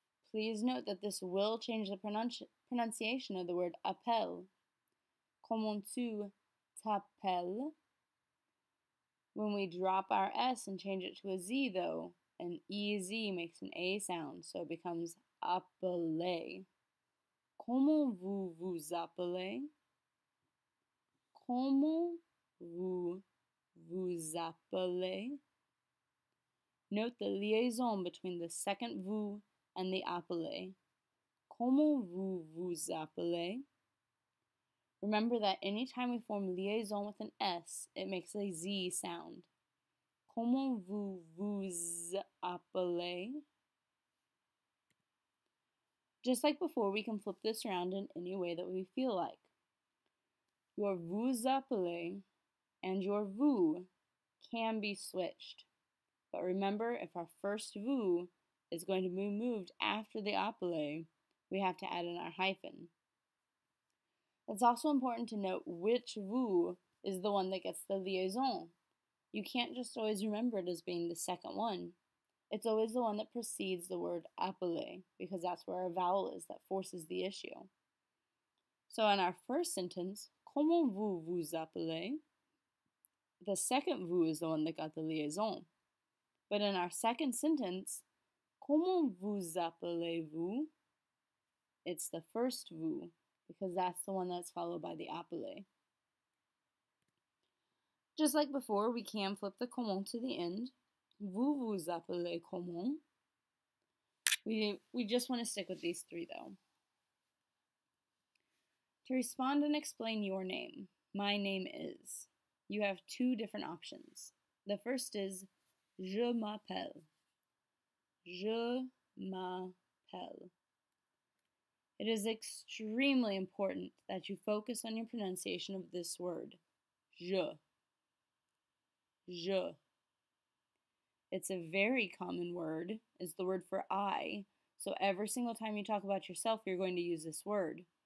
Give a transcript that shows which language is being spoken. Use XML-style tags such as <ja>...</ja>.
<en>Please note that this will change the pronunciation of the word appel.</en> <fr>Comment tu t'appelles?</fr> <en>When we drop our S and change it to a Z, though, an EZ makes an A sound, so it becomes appeler.</en> <fr>Comment vous vous appelez? Comment vous vous appelez?</fr> <en>Note the liaison between the second vous and the appeler.</en> <fr>Comment vous vous appelez?</fr> <en>Remember that any time we form liaison with an S, it makes a Z sound.</en> <fr>Comment vous vous appelez?</fr> <en>Just like before, we can flip this around in any way that we feel like. Your vous appelez and your vous can be switched. But remember, if our first vous is going to be moved after the appeler, we have to add in our hyphen. It's also important to note which vous is the one that gets the liaison. You can't just always remember it as being the second one. It's always the one that precedes the word appeler, because that's where our vowel is that forces the issue. So in our first sentence,</en> <fr>comment vous vous appelez?</fr> <en>The second vous is the one that got the liaison. But in our second sentence,</en> <fr>comment vous appelez-vous?</fr> <en>It's the first vous, because that's the one that's followed by the appelé. Just like before, we can flip the comment to the end.</en> <fr>Vous vous appelez comment?</fr> <en>We just want to stick with these three, though. To respond and explain your name, my name is, you have two different options. The first is,</en> <fr>je m'appelle. Je m'appelle. hell.</fr> <en>It is extremely important that you focus on your pronunciation of this word, je. Je. It's a very common word. It's the word for I. So every single time you talk about yourself, you're going to use this word.</en>